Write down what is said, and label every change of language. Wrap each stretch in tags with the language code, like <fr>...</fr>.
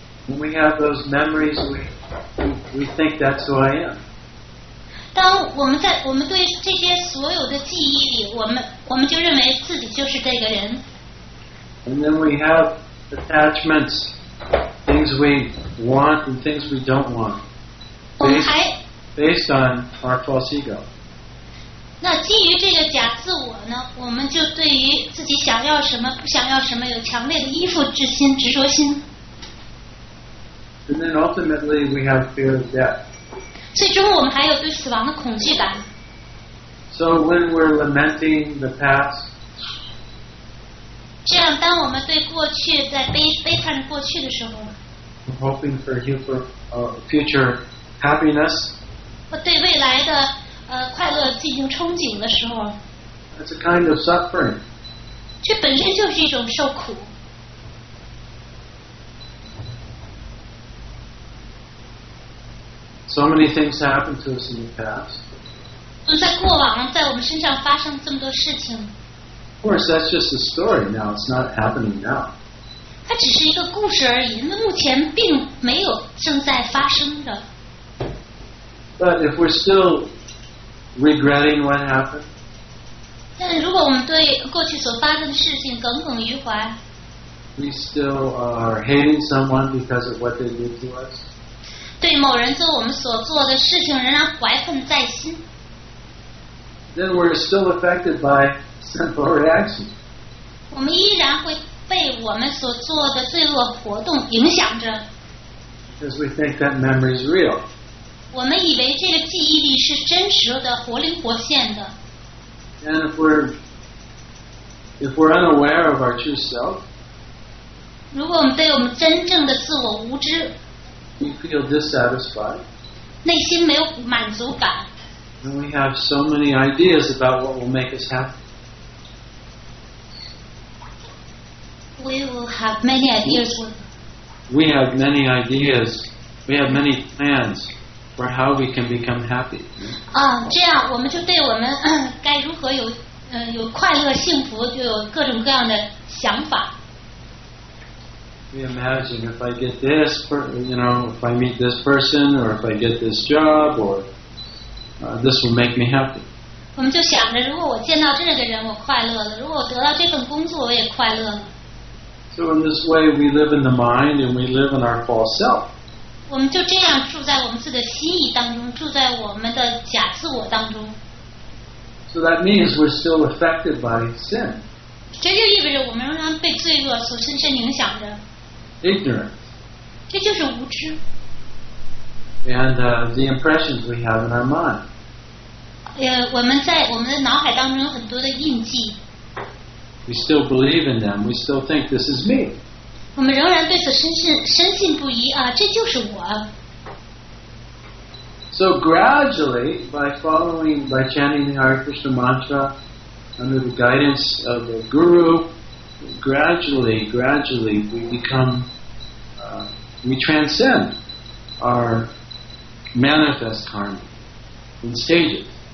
<en>When we have those memories, we think that's who I am.</en> <zh>当我们对这些所有的记忆里，我们就认为自己就是这个人。</zh> <en>And then we have. Attachments, things we want and things we don't want, based on our false ego.</en> <zh>那基于这个假自我呢，我们就对于自己想要什么、不想要什么有强烈的依附之心、执着心。</zh> <en>And then ultimately, we have fear of death.</en> <zh>最终我们还有对死亡的恐惧感。</zh> <en>So when we're lamenting the past.</en> <zh>这样，当我们对过去在悲叹过去的时候</zh> <en>，I'm hoping for you for future happiness.</en> <zh>我对未来的快乐进行憧憬的时候</zh> <en>，That's a kind of suffering.</en> <zh>这本身就是一种受苦。</zh> <en>So many things happened to us in the past.</en> <zh>在过往，在我们身上发生这么多事情。</zh> <en>Of course, that's just a story now. It's not happening now.</en> <zh>它只是一个故事而已，那目前并没有正在发生的。</zh> <en>But if we're still regretting what happened,</en> <zh>但如果我们对过去所发生的事情耿耿于怀，</zh> <en>we still are hating someone because of what they did to us.</en> <zh>对某人做我们所做的事情仍然怀恨在心，</zh> <en>then we're still affected by. Sinful reaction.</en> <zh>我们依然会被我们所做的罪恶活动影响着。</zh> <en>Because we think that memory is real.</en> <zh>我们以为这个记忆力是真实的、活灵活现的。</zh> <en>And if we're unaware of our true self,</en> <zh>如果我们对我们真正的自我无知，</zh> <en>we feel dissatisfied.</en> <zh>内心没有满足感。</zh> <en>And we have so many ideas about what will make us happy. We will have many ideas. we have many ideas, we have many plans for how we can become happy.</en> <zh>啊，这样我们就对我们该如何有有快乐幸福就有各种各样的想法。</zh> <en>We imagine if I get this, you know, if I meet this person, or if I get this job, or this will make me happy.</en> <zh>我们就想着，如果我见到这个人，我快乐了；如果我得到这份工作，我也快乐了。</zh> <en>So in this way, we live in the mind, and we live in our false self.</en> <zh>我们就这样住在我们自己的心意当中，住在我们的假自我当中。</zh> <en>So that means we're still affected by sin.</en> <zh>这就意味着我们仍然被罪恶所深深影响着。</zh> <en>Ignorance.</en> <zh>这就是无知。</zh> <en>And the impressions we have in our mind.</en> <zh>我们在我们的脑海当中有很多的印记。</zh> <en>We still believe in them. We still think this is me.</en> <zh>我们仍然对此深信不疑啊，这就是我。</zh> <en>So gradually, by chanting the Hare Krishna mantra. Under the guidance of the guru, gradually we become, we transcend our manifest karma in stages.</en>